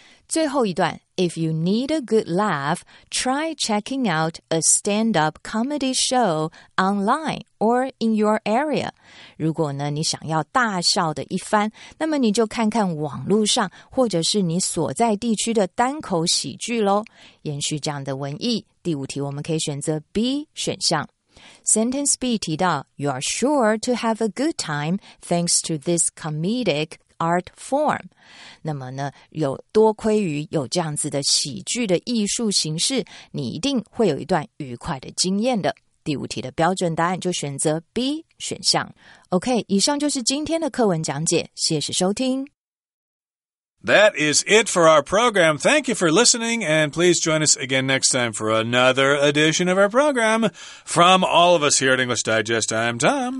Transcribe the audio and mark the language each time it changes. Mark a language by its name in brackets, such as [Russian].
[Chinese] 最后一段， [English] If you need a good laugh, try checking out a stand-up comedy show online or in your area. [Chinese] 如果呢，你想要大笑的一番，那么你就看看网络上或者是你所在地区的单口喜剧咯。延续这样的文艺，第五题我们可以选择 B 选项。 [English] Sentence B [Chinese] 提到 [English] You are sure to have a good time thanks to this comedic art form。 [Chinese] 那么呢，有多亏于有这样子的喜剧的艺术形式，你一定会有一段愉快的经验的。第五题的标准答案就选择 B 选项。OK， 以上就是今天的课文讲解，谢谢收听。 [English] That is it for our program. Thank you for listening, and please join us again next time for another edition of our program. From all of us here at English Digest, I'm Tom.